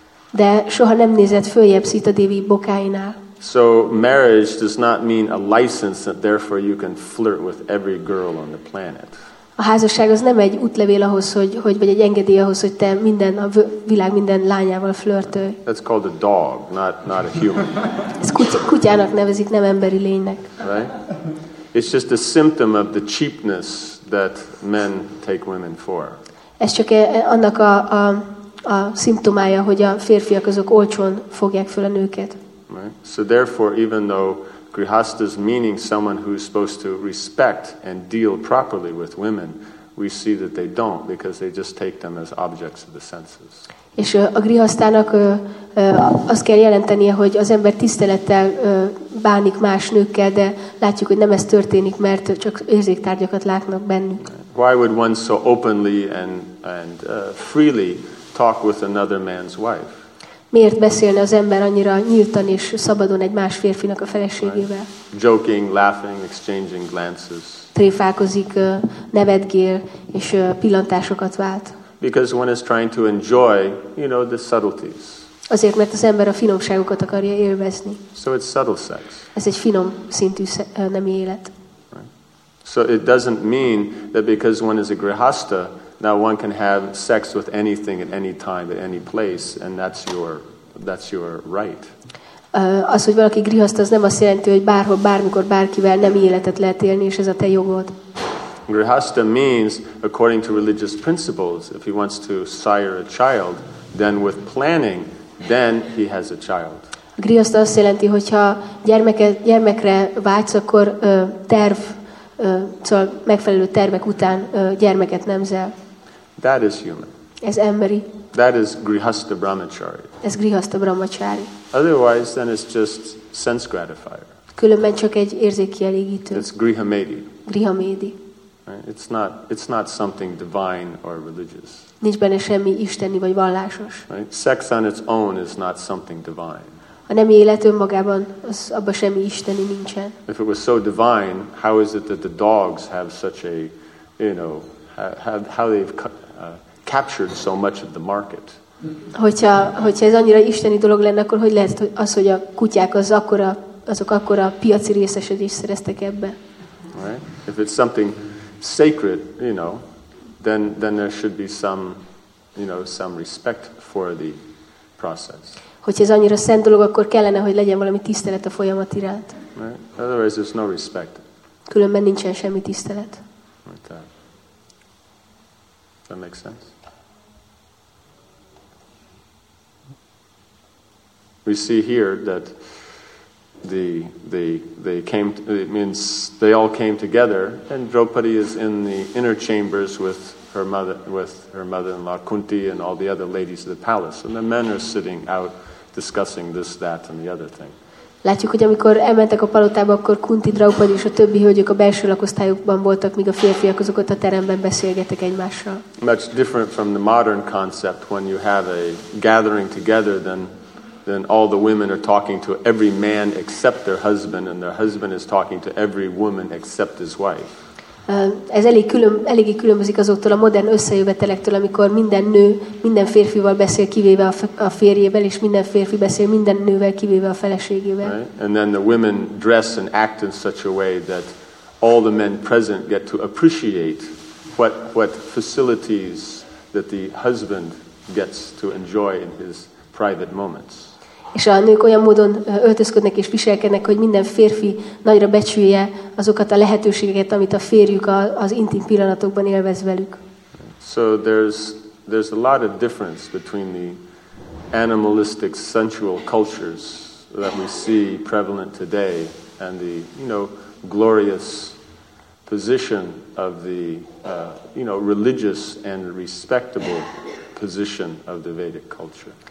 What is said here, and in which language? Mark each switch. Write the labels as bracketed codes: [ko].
[hu] De soha nem nézett följebb Sita Devi bokáinál. [en] So marriage does not mean a license that therefore you can flirt with every girl on the planet. [hu] A házasság az nem egy útlevél ahhoz, hogy vagy egy engedély ahhoz, hogy te minden a világ minden lányával flörtölj. [en] That's called a dog, not a human. [hu] Ez kutyának nevezik, nem emberi lénynek. [en] Right? It's just a symptom of the cheapness that men take women for. [hu] Ez csak annak a szimptomája, hogy a férfiak azok olcsón fogják föl a nőket. [en] Right? So therefore, even though Grihastha's meaning someone who's supposed to respect and deal properly with women, we see that they don't because they just take them as objects of the senses. [hu] És a grihasztának azt kell jelentenie, hogy az ember tisztelettel bánik más nőkkel, de látjuk, hogy nem ez történik, mert csak érzéktárgyakat látnak bennük. [en] Why would one so openly and freely talk with another man's wife? [hu] Miért beszélne az ember annyira nyíltan és szabadon egy más férfinak a feleségével? [en] Right. Joking, laughing, exchanging glances. [hu] Tréfálkozik, nevetgél és pillantásokat vált. [en] Because one is trying to enjoy, you know, the subtleties. [hu] Azért, mert az ember a finomságokat akarja élvezni. [en] So it's subtle sex. [hu] Ez egy finom szintű nemi élet. [en] Right. So it doesn't mean that because one is a grihasta, now one can have sex with anything at any time, at any place, and that's your right. [hu] Az, hogy valaki grihasta, az nem azt jelenti, hogy bárhol, bármikor, bárkivel nem életet lehet élni, és ez a te jogod. [en] Grihasta means, according to religious principles, if he wants to sire a child, then with planning, then he has a child. [hu] Grihasta azt jelenti, hogyha gyermekre vágysz, akkor terv. Szóval megfelelő tervek után gyermeket nemzel. [en] That is human. [hu] Ez emberi. [en] That is grihasta brahmachari. [hu] Ez grihasta brahmachari. [en] Otherwise, then it's just sense gratifier. [hu] Különben csak egy érzékkielégítő. [en] It's grihamedi. [hu] Grihamedi. [en] It's not something divine or religious. [hu] Nincs benne semmi isteni vagy vallásos. [en] Right? Sex on its own is not something divine. [hu] A nemi élet önmagában az abba semmi isteni nincsen. [en] If it was so divine, how is it that the dogs have such a, you know, how they've captured so much of the market? [hu] Hogyha ez annyira isteni dolog lenne, akkor hogy lehet az, hogy a kutyák azok akkora piaci részesedést szereztek ebbe? [en] Right? If it's something sacred, you know, then there should be some, you know, some respect for the process. [hu] Hogyha ez annyira szent dolog, akkor kellene, hogy legyen valami tisztelet a folyamat iránt. [en] Right. Otherwise, there's no respect. [hu] Különben nincsen semmi tisztelet. [en] Right. Does that make sense? We see here that they came. It means they all came together, and Draupadi is in the inner chambers with her mother, Kunti, and all the other ladies of the palace, and the men are sitting out. Discussing this, that, and the other thing. [hu] Látjuk, hogy amikor elmentek a palotába, akkor Kunti, Draupadi és a többi hölgyök a belső lakosztályukban voltak, míg a férfiak azok ott a teremben beszélgettek egymással. [en] Much different from the modern concept when you have a gathering together, then all the women are talking to every man except their husband, and their husband is talking to every woman except his wife. [hu] Ez eléggé különbözik azoktól a modern összejövetelektől, amikor minden nő minden férfival beszél kivéve a férjével, és minden férfi beszél minden nővel kivéve a feleségével. [en] Right. And then the women dress and act in such a way that all the men present get to appreciate what facilities that the husband gets to enjoy in his private moments. [hu] És a nők olyan módon öltözködnek és viselkednek, hogy minden férfi nagyra becsülje azokat a lehetőségeket, amit a férjük az intim pillanatokban élvez velük. [en] So there's a lot of difference between the animalistic sensual cultures that we see prevalent today and the, you know, glorious position of the, you know, religious and respectable position of the Vedic culture.